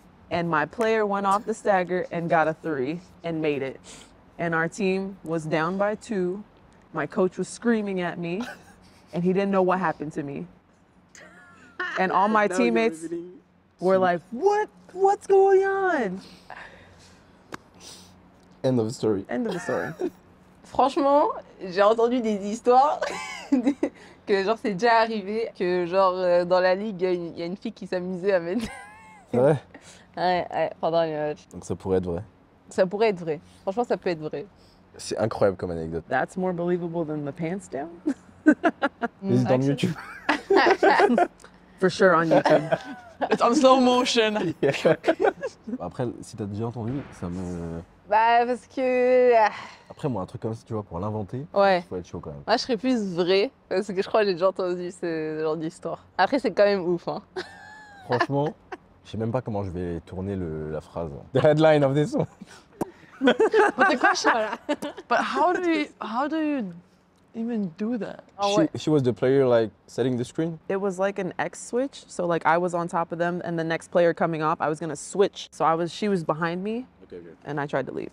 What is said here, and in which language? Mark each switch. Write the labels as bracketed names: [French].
[English] And my player went off the stagger and got a 3 and made it. And our team was down by 2. My coach was screaming at me and he didn't know what happened to me. And all my teammates were like, what's going on? End of the story. End of the story. [French] Franchement, j'ai entendu des histoires que genre c'est déjà arrivé, que genre dans la ligue, il y a une fille qui s'amusait à mettre. Ouais. Ouais, pendant les matchs. Donc ça pourrait être vrai. Ça pourrait être vrai. Franchement, ça peut être vrai. C'est incroyable comme anecdote. [English] That's more believable than the pants down. Is it on YouTube? For sure on YouTube. It's on slow motion. [French] Après, si t'as déjà entendu, ça me... Bah, parce que... Après, moi, un truc comme ça, tu vois, pour l'inventer, ouais. Faut être chaud quand même. Moi, je serais plus vrai, parce que je crois que j'ai déjà entendu ce genre d'histoire. Après, c'est quand même ouf, hein. Franchement, je sais même pas comment je vais tourner la phrase. [English] The headline of this song. But the question, but how do you even do that? She was the player like setting the screen. It was like an X switch. So like I was on top of them, and the next player coming up, I was gonna switch. So she was behind me, okay. And I tried to leave.